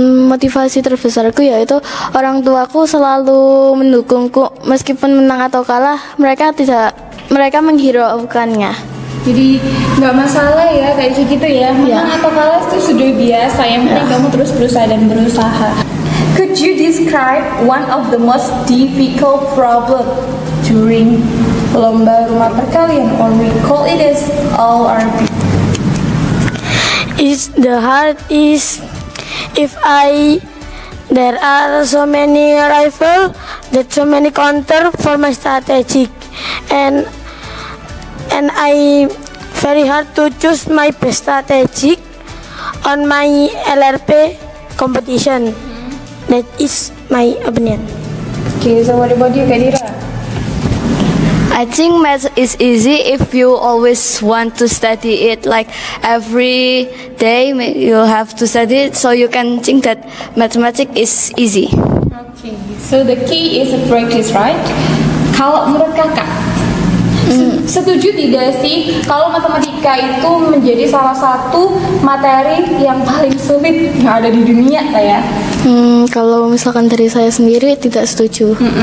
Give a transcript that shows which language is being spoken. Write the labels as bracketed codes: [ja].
[id] Motivasi terbesarku yaitu orang tuaku selalu mendukungku meskipun menang atau kalah, mereka menghiraukannya. Jadi nggak masalah ya kayak gitu ya, menang yeah. atau kalah itu sudah biasa, yang penting yeah. kamu terus berusaha dan berusaha. [en] Could you describe one of the most difficult problem during lomba rumah perkalian, or we call it as LRP? It's the hard is if there are so many rival, that so many counter for my strategy, and I very hard to choose my best strategy on my LRP competition. That is my opinion. Okay, so what about you, Kadira? I think math is easy if you always want to study it, like every day you have to study it, so you can think that mathematics is easy. Okay, so the key is practice, right? [id] Kalau menurut kakak, setuju tidak sih kalau matematika itu menjadi salah satu materi yang paling sulit yang ada di dunia, kak ya? Kalau misalkan dari saya sendiri tidak setuju.